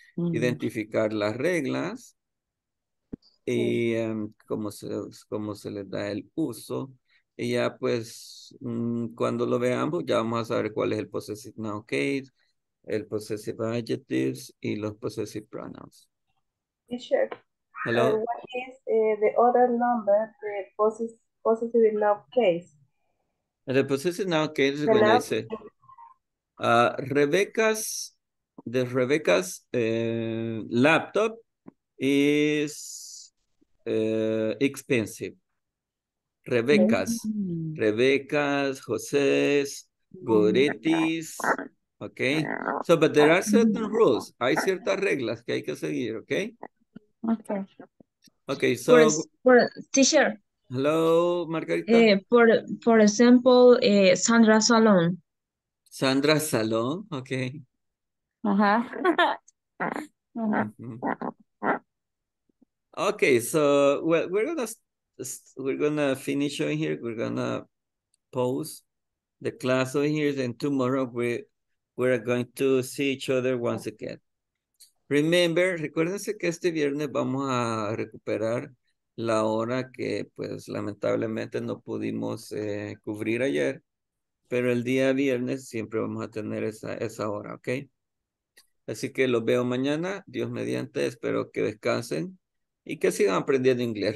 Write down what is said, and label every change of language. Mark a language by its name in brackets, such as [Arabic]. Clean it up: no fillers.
[Spanish] Identificar las reglas. Y cómo se les da el uso. Y ya pues, cuando lo veamos, ya vamos a saber cuál es el possessive noun case, el possessive adjectives y los possessive pronouns. [English] Teacher, hello. What is the other number, the possessive noun case? The possessive noun case is when I say, Rebecca's laptop is expensive. Rebecca's. Rebecca's, José's, Goretti's. Okay. So, but there are certain rules. [Spanish] Hay ciertas reglas que hay que seguir, okay? [English] Okay. Okay, so for teacher. Hello, Margarita. For example, Sandra Salon. Sandra Salon, okay. Okay, so well, we're gonna finish on here. We're gonna pause the class over here, then tomorrow we're going to see each other once again. Remember, [Spanish] recuérdense que este viernes vamos a recuperar la hora que, pues, lamentablemente no pudimos cubrir ayer, pero el día viernes siempre vamos a tener esa hora, ¿ok? Así que los veo mañana, Dios mediante, espero que descansen y que sigan aprendiendo inglés.